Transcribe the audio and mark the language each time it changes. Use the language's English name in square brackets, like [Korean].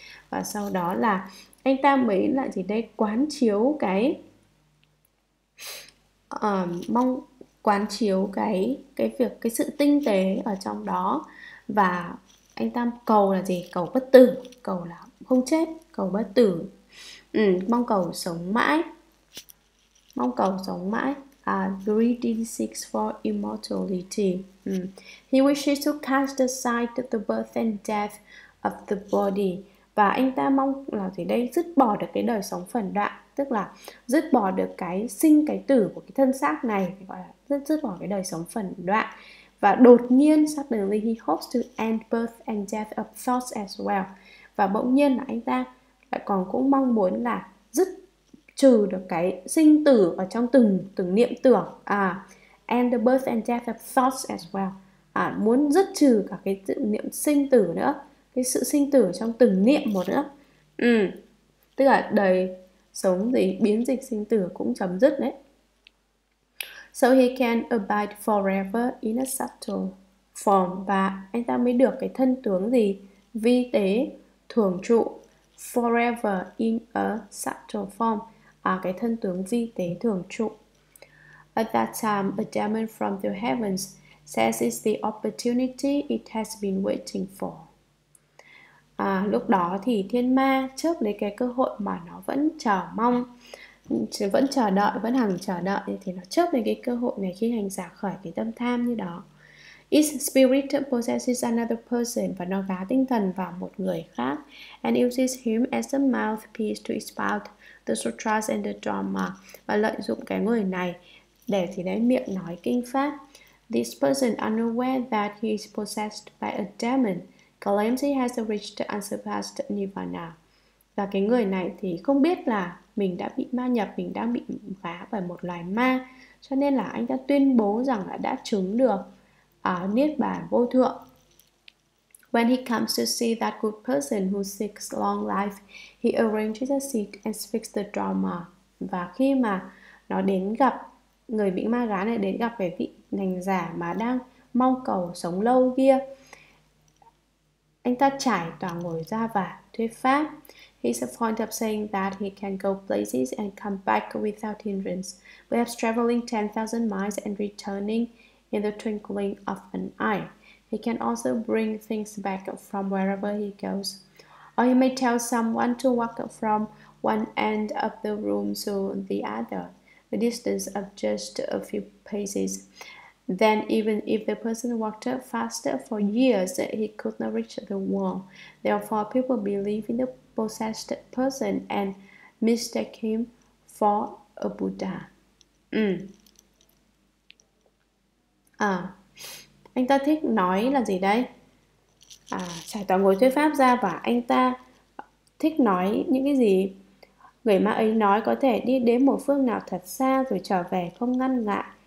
[Vietnamese] Và sau đó là anh ta mới lại chỉ đây quán chiếu cái mong quán chiếu cái việc, cái sự tinh tế ở trong đó, và anh ta cầu là gì? Cầu bất tử, cầu là không chết, cầu bất tử. Mong cầu sống mãi, mong cầu sống mãi. [English] Greedy seeks for immortality. He wishes to cast aside the birth and death of the body. [Vietnamese] Và anh ta mong là gì đây? Dứt bỏ được cái đời sống phần đoạn, tức là dứt bỏ được cái sinh cái tử của cái thân xác này, gọi là dứt bỏ cái đời sống phần đoạn. Và đột nhiên, [English] suddenly he hopes to end birth and death of thoughts as well. [Vietnamese] Và bỗng nhiên là anh ta lại còn cũng mong muốn là dứt trừ được cái sinh tử ở trong từng từng niệm tưởng, [English] and the birth and death of thoughts as well. [Vietnamese] Muốn dứt trừ cả cái tự niệm sinh tử nữa, cái sự sinh tử trong từng niệm một nữa. Tức là đời sống gì biến dịch sinh tử cũng chấm dứt đấy. [English] So he can abide forever in a subtle form, [Vietnamese] và anh ta mới được cái thân tướng gì vi tế thường trụ, [English] forever in a subtle form, [Vietnamese] cái thân tướng vi tế thường trụ. [English] At that time, a demon from the heavens Says it's the opportunity it has been waiting for. [Vietnamese] À, lúc đó thì thiên ma chớp lấy cái cơ hội mà nó vẫn chờ mong, vẫn chờ đợi, vẫn hằng chờ đợi, thì nó chớp lấy cái cơ hội này khi hành giả khởi cái tâm tham như đó. [English] Its spirit possesses another person, [Vietnamese] và nó vá tinh thần vào một người khác. [English] And uses him as a mouthpiece to spout the sutras and the dharma, [Vietnamese] và lợi dụng cái người này để thì lấy miệng nói kinh pháp. [English] This person, unaware that he is possessed by a demon, claims he has reached unsurpassed nirvana. [Vietnamese] Và cái người này thì không biết là mình đã bị ma nhập, mình đang bị vá bởi một loài ma, cho nên là anh ta tuyên bố rằng là đã chứng được niết bàn vô thượng. [English] When he comes to see that good person who seeks long life, he arranges a seat and speaks the dharma. [Vietnamese] Và khi mà nó đến gặp người bị ma gán này, đến gặp cái vị hành giả mà đang mong cầu sống lâu kia, anh ta trải tòa ngồi ra và thuyết pháp. [English] He's a point of saying that he can go places and come back without hindrance, perhaps traveling 10,000 miles and returning in the twinkling of an eye. He can also bring things back from wherever he goes. Or he may tell someone to walk from one end of the room to the other, a distance of just a few paces. Then, even if the person walked up faster for years, he could not reach the wall. Therefore, people believe in the possessed person and mistake him for a Buddha. [Vietnamese] À, anh ta thích nói là gì đây? À, trải tòa ngồi thuyết pháp ra và anh ta thích nói những cái gì? Người ma ấy nói có thể đi đến một phương nào thật xa rồi trở về không ngăn ngại.